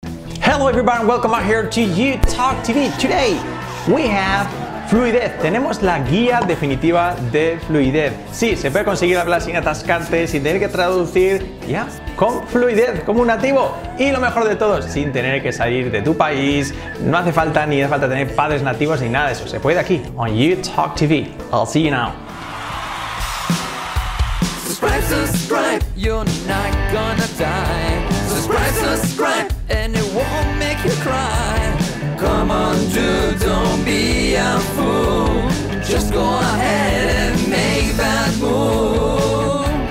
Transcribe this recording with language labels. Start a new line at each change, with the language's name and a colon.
English: Hello everybody, welcome out here to UTalk TV. Today we have fluidez.
Spanish: Tenemos la guía definitiva de fluidez. Sí, se puede conseguir hablar sin atascarte, sin tener que traducir, ya, con fluidez, como un nativo. Y lo mejor de todo, sin tener que salir de tu país. No hace falta ni hace falta tener padres nativos ni nada de eso. Se puede aquí on UTalk TV.
English: I'll see you now. Subscribe, you're not gonna die. Subscribe, subscribe, and it won't make you cry. Come on, dude, don't be a fool. Just go ahead and make that move.